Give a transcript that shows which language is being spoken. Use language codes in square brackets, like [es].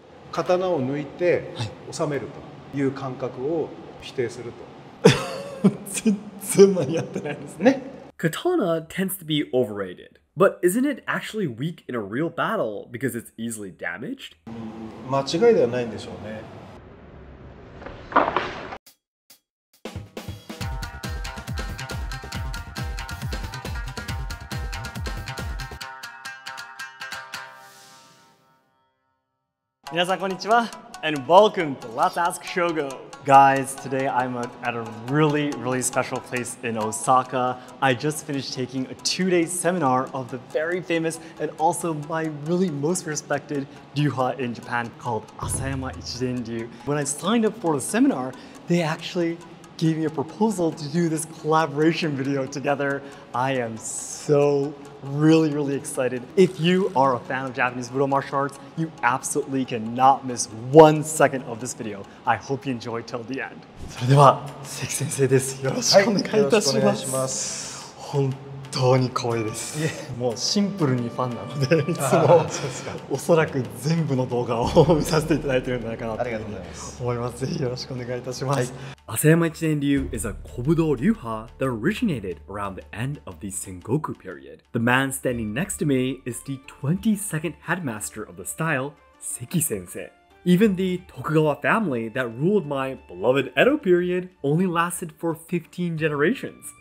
[ja] 刀を抜いて収めるという感覚を否定すると。全然間に合ってないですね。 [en] Katana tends to be overrated, but isn't it actually weak in a real battle because it's easily damaged? [ja] 間違いではないんでしょうね。皆さんこんにちは。 [en] And welcome to Let's Ask Shogo. Guys, today I'm at a really, really special place in Osaka. I just finished taking a two-day seminar of the very famous and also my really most respected ryuha in Japan called Asayama Ichidenryu. When I signed up for the seminar, they actually gave me a proposal to do this collaboration video together. I am so really, really excited. If you are a fan of Japanese Budō martial arts, you absolutely cannot miss one second of this video. I hope you enjoy it till the end. [ja] それでは、関先生です。よろしくお願いいたします。はい、よろしくお願いします。本当に光栄です。いえ、もうシンプルにファンなので、いつもおそらく全部の動画を見させていただいているんじゃないかなというふうに思います。ぜひよろしくお願いいたします。はい、 [en] Asayama Ichidenryu is a kobudo ryuha that originated around the end of the Sengoku period. The man standing next to me is the 22nd headmaster of the style, Seki-sensei. Even the Tokugawa family that ruled my beloved Edo period only lasted for 15 generations.